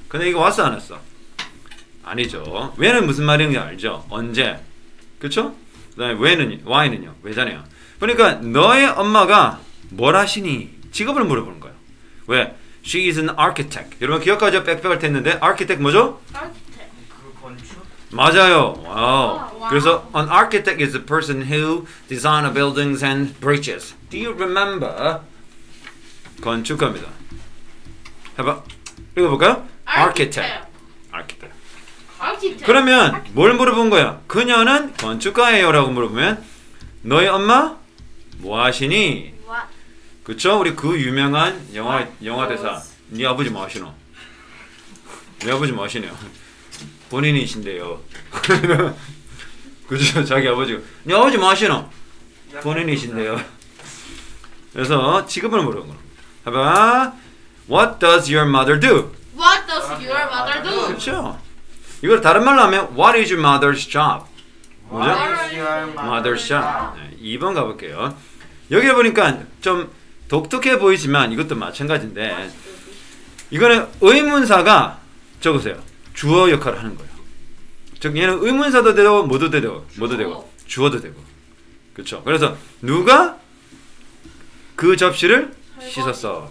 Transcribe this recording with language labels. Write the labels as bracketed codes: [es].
[ko] 근데 이거 왔어 안 왔어? 아니죠. 왜는 무슨 말인지 알죠? 언제? 그렇죠? 그다음에 왜는 why는요? 왜잖아요. 그러니까 너의 엄마가 뭘 하시니? 직업을 물어보는 거예요. [en] 왜? She is an architect. [ko] 여러분 기억하죠? 백팩을 했는데 architect 뭐죠? [en] architect. [ko] 그 건축? 맞아요. 와우. [en] 그래서 an architect is a person who designs buildings and bridges. Do you remember? [ko] 건축합니다. 해봐. 읽어볼까요? [en] architect. [ko] 그러면 뭘 물어본 거야? 그녀는 건축가예요 라고 물어보면 너희 엄마 뭐 하시니? 그쵸? 우리 그 유명한 영화 대사. 네 아버지 뭐 하시노? 네 아버지 뭐 하시네요? 본인이신데요. 그죠? 자기 아버지. 네 아버지 뭐 하시노? 본인이신데요. 그래서 직업을 물어본 거. 해봐. [en] What does your mother do? What does your mother do? [ko] 그쵸? 이걸 다른 말로 하면 [en] What is your mother's job? What is your mother's job? [ko] 네, 2번 가볼게요. 여기 보니까 좀 독특해 보이지만 이것도 마찬가지인데 이거는 의문사가 적으세요. 주어 역할을 하는 거예요. 즉 얘는 의문사도 되고 뭐도 되고 뭐도 되고 주어도 되고 그렇죠. 그래서 누가 그 접시를 씻었어?